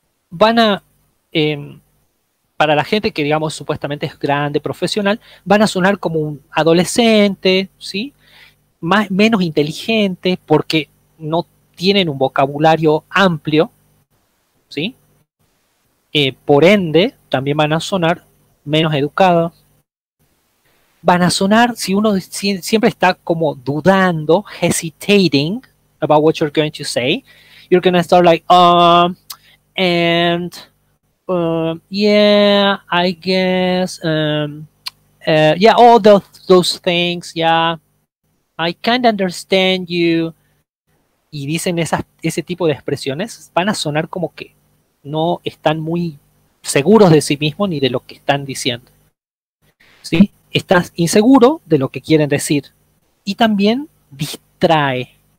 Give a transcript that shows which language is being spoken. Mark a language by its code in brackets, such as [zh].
[es] Van a, para la gente que digamos supuestamente es grande, profesional, van a sonar como un adolescente, ¿sí? Más, menos inteligente porque no tienen un vocabulario amplio. ¿Sí? Por ende, también van a sonar menos educados. Van a sonar, si uno siempre está como dudando, [en] hesitating about what you're going to say, you're going to start like, yeah, I guess, yeah, all those things, yeah, I can't understand you. [es] Y dicen ese tipo de expresiones, van a sonar como que no están muy seguros de sí mismos ni de lo que están diciendo. ¿Sí? Estás inseguro de lo que quieren decir. Y también distrae.